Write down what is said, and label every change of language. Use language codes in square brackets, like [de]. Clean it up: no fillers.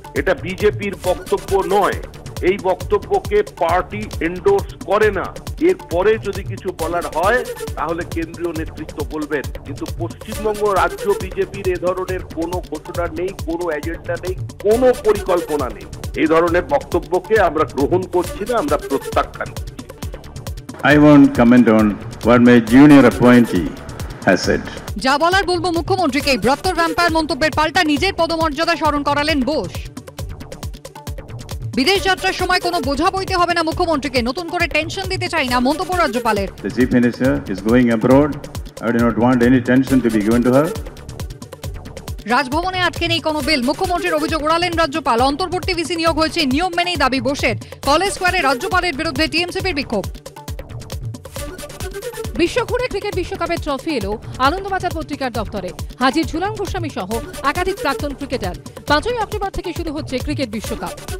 [bn] এটা বিজেপির বক্তব্য নয়, এই বক্তব্যকে পার্টি এন্ডোর্স করে না। এরপরে যদি কিছু বলার হয় তাহলে কেন্দ্রীয় নেতৃত্ব বলবেন, কিন্তু পশ্চিমবঙ্গ রাজ্য বিজেপির এ ধরনের কোনো ঘোষণা নেই, কোনো এজেন্ডা নেই, কোনো পরিকল্পনা নেই। এই ধরনের বক্তব্যকে আমরা গ্রহণ করছি না, আমরা প্রত্যাখ্যান করছি। [en] I won't comment on what my junior appointee has said. [bn] যা বলার বলবো মুখ্যমন্ত্রীকে, ব্রত্তর ভ্যাম্পায়ার মন্তব্যের পাল্টা নিজের পদমর্যাদা স্মরণ করালেন বোস। বিদেশ যাত্রার সময় কোনো বোঝা বইতে হবে না মুখ্যমন্ত্রীকে, নতুন করে টেনশন দিতে চাই না মন্তব্য রাজ্যপালের। [en] The chief minister is going abroad. I do not want any tension to be given to her. [bn] রাজভবনে আটকে নেই কোনো বিল, মুখ্যমন্ত্রীর অভিযোগ উড়ালেন রাজ্যপাল। অন্তর্বর্তী ভিসি নিয়োগ হয়েছে নিয়ম মেনেই দাবি বোসের। কলেজ স্কোয়ারে রাজ্যপালের বিরুদ্ধে টিএমসিপির বিক্ষোভ। বিশ্বঘুরে ক্রিকেট বিশ্বকাপের ট্রফি এলো আনন্দবাজার পত্রিকার দপ্তরে। হাজির ঝুলন গোস্বামী সহ একাধিক প্রাক্তন ক্রিকেটার। 5ই অক্টোবর থেকে শুরু হচ্ছে ক্রিকেট বিশ্বকাপ।